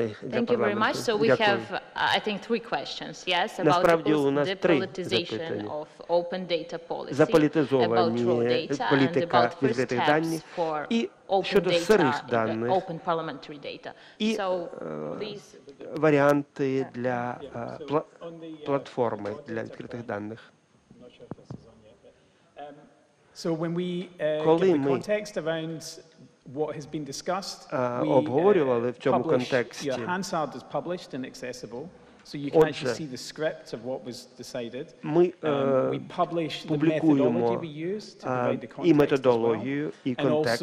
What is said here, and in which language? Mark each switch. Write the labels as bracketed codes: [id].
[en] Thank you very much. So we have, I think, three questions. Yes, about the politicization of open data policy, about raw data, and about first steps for open data, open parliamentary data. So please. [uk] Варіанти для платформи для відкритих даних. [en] So when we give the context around what has been discussed, [uk] обговорювали в цьому контексті. [en] Your Hansard is published and accessible, so you can actually see the script of what was decided. [uk] Ми публікуємо і методологію, і контекст.